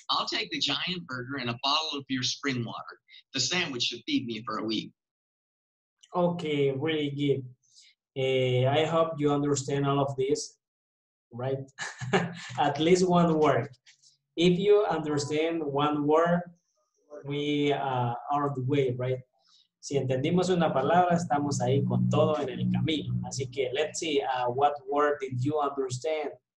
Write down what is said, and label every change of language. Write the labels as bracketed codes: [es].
[en] I'll take the giant burger and a bottle of your spring water. The sandwich should feed me for a week. Okay, really good. I hope you understand all of this, right? At least one word. If you understand one word, we are the way, right? [es] Si entendimos una palabra, estamos ahí con todo en el camino. Así que, [en] let's see, what word did you understand?